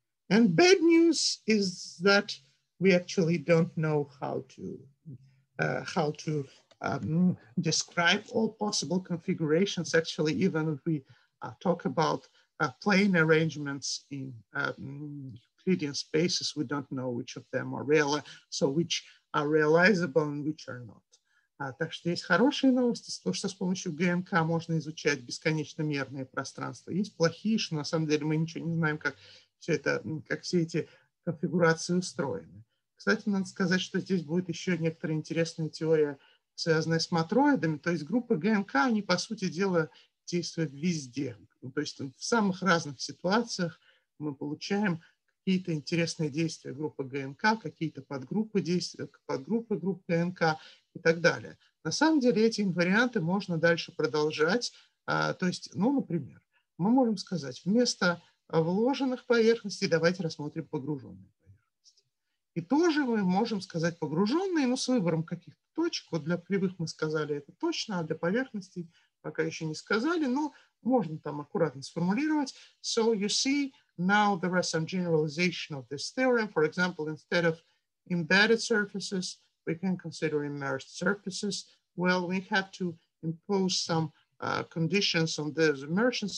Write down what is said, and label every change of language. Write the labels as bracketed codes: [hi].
[en] And bad news is that we actually don't know how to describe all possible configurations. Actually, even if we talk about plane arrangements in Euclidean spaces, we don't know which of them are real, so which are realizable and which are not. [ru] Так что есть хорошие новости, то, что с помощью ГНК можно изучать бесконечно мерные пространства. Есть плохие, что на самом деле мы ничего не знаем, как все это, как все эти конфигурации устроены. Кстати, надо сказать, что здесь будет еще некоторая интересная теория, связанные с матроидами, то есть группы ГНК, они, по сути дела, действуют везде. Ну, то есть в самых разных ситуациях мы получаем какие-то интересные действия группы ГНК, какие-то подгруппы действия, подгруппы групп ГНК и так далее. На самом деле эти инварианты можно дальше продолжать. То есть, ну, например, мы можем сказать, вместо вложенных поверхностей давайте рассмотрим погруженные. И тоже мы можем сказать погруженные, но с выбором каких-то точек. Вот для кривых мы сказали это точно, а для поверхностей пока еще не сказали, но можно там аккуратно сформулировать. [en] So you see, now there are some generalization of this theorem. For example, instead of embedded surfaces, we can consider immersed surfaces. Well, we have to impose some conditions on those immersions.